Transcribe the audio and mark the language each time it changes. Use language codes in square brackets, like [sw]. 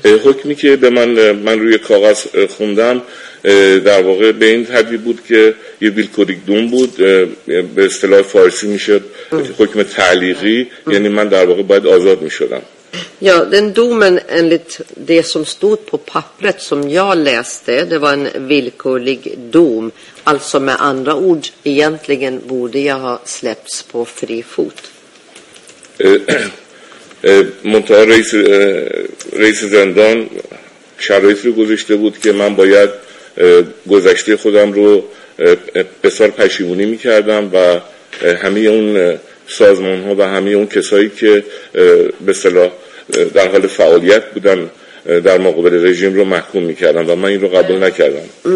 [fa] شدی؟ حکمی که به من روی کاغذ خوندم در واقع به این ترتیب بود که یه بیلکوریک دوم بود، به اصطلاح فارسی میشد حکم تعلیقی، یعنی من در واقع باید آزاد میشدم. [sv] یا den domen enligt det som stod på pappret som jag läste, det var en villkorlig dom. Alltså med andra ord, egentligen borde jag ha släppts på fri fot. [fa] منطقه رئیس زندان شرایط رو گذاشته بود که من باید گذشته خودم رو بسیار پشیمونی می کردم و همه اون سازمان ها و همه اون کسایی که به اصطلاح در حال فعالیت بودن در مقابل رژیم رو محکوم می کردم و من این رو قبول نکردم.